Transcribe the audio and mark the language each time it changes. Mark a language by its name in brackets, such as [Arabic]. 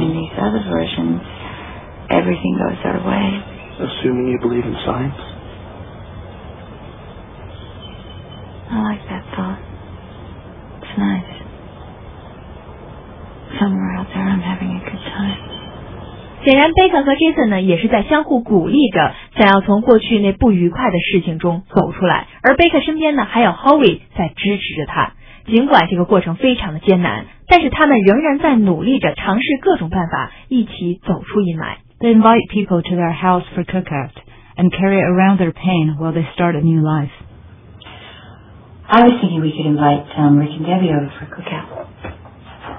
[English] In these other versions, everything goes our way. Assuming you believe in science. I like that thought. It's nice. Somewhere out there, I'm having a good time. [Chinese] 显然贝克和 Jason 呢也是在相互鼓励着，想要从过去那不愉快的事情中走出来，而贝克身边呢还有 Howie 在支持着他。尽管这个过程非常的艰难，但是他们仍然在努力着，尝试各种办法一起走出阴霾。 [English] They invite people to their house for cookout and carry around their pain while they start a new life. I was thinking we could invite Rick and Debbie over for cookout.